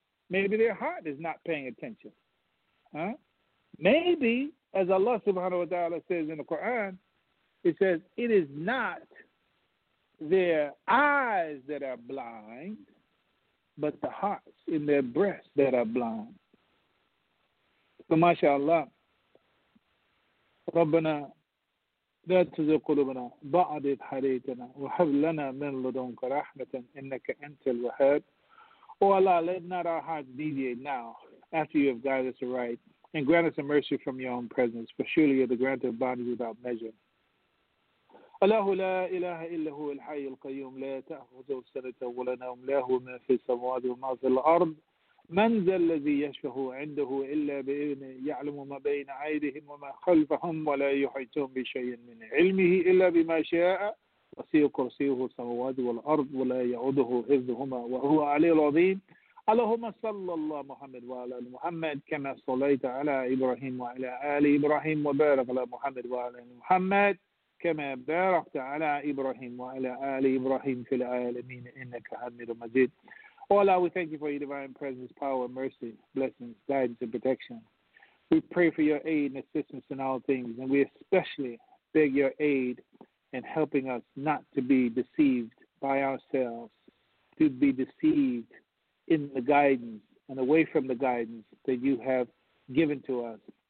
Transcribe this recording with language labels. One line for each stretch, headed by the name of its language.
English: Maybe their heart is not paying attention. Huh? Maybe, as Allah subhanahu wa ta'ala says in the Quran, it says, it is not their eyes that are blind, but the hearts in their breasts that are blind.
Arabic: So, mashallah, Rabbana, لا تزغ قلوبنا بعد إذ هديتنا وهب لنا من لدنك رحمة إنك أنت الوهاب.
English: Oh Allah, let not our hearts deviate now after you have guided us aright, and grant us a mercy from your own presence, for surely you are the grant of bounties without measure.
Arabic: الله لا إله إلا هو الحي القيوم لا تأخذه سنة ولا نوم له ما في السماوات وما في الأرض من ذا الذي يشفه عنده إلا بإذنه يعلم ما بين أيديهم وما خلفهم ولا يحيطون بشيء من علمه إلا بما شاء وسع كرسيه السماوات والأرض ولا يعوده حفظهما وهو العلي العظيم. اللهم صل الله محمد وعلى محمد كما صليت على إبراهيم وعلى آل إبراهيم وبارك على محمد وعلى محمد كما باركت على إبراهيم وعلى آل إبراهيم في العالمين إنك حميد مجيد.
English: Oh Allah, we thank you for your divine presence, power, mercy, blessings, guidance, and protection. We pray for your aid and assistance in all things, and we especially beg your aid in helping us not to be deceived by ourselves, to be deceived in the guidance and away from the guidance that you have given to us.